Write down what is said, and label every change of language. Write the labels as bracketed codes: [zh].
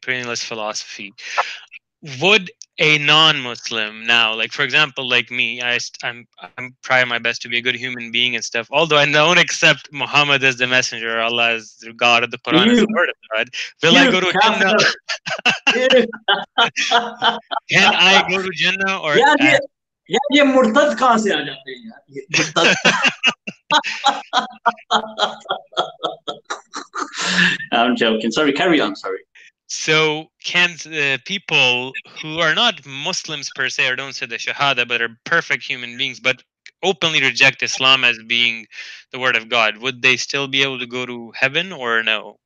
[en] Perennialist philosophy. Would a non-Muslim now, like, for example, like me, I'm trying my best to be a good human being and stuff, although I don't accept Muhammad as the messenger, Allah as the God of the Quran, as the word of God, will I go to Jannah? Can I go to Jannah? Or [ur] yeah, مرتد کہاں سے آ جاتے ہیں یار؟ [en] I'm joking. Sorry, carry on. Sorry. So can people who are not Muslims per se, or don't say the Shahada, but are perfect human beings, but openly reject Islam as being the word of God, would they still be able to go to heaven or no?